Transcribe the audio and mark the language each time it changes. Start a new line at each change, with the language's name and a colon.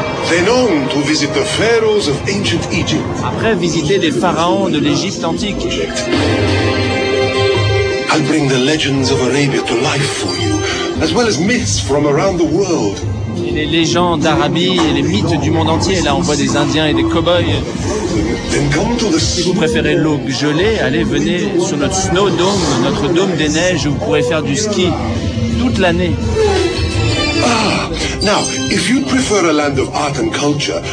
English: Then on to visit the pharaohs of ancient Egypt.
French: Après, visiter les pharaons de l'Égypte antique.
English: I'll bring the legends of Arabia to life for you, as well as myths from around the world.
French: Et les légendes d'Arabie et les mythes du monde entier. Là, on voit des Indiens et des cow-boys. Si vous préférez l'eau gelée, allez, venez sur notre snow dome, notre dôme des neiges, où vous pourrez faire du ski toute l'année.
English: Now, if you prefer a land of art and culture,